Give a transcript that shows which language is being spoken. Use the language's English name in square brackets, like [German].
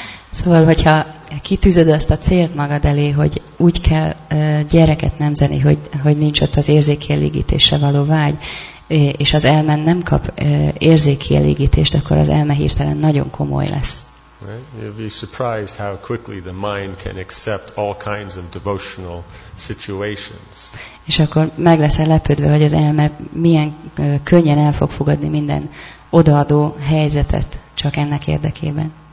[Hungarian] Szóval, hogyha kitűzöd azt a célt magad elé, hogy úgy kell gyereket nemzeni, hogy nincs ott az érzékkielégítésre való vágy, és az elme nem kap érzékkielégítést, akkor az elme hirtelen nagyon komoly lesz. [English] Right? You'll be surprised how quickly the mind can accept all kinds of devotional situations. [Hungarian] És akkor meg leszel lepődve, hogy az elme milyen könnyen el fog fogadni minden odaadó helyzetet csak ennek érdekében.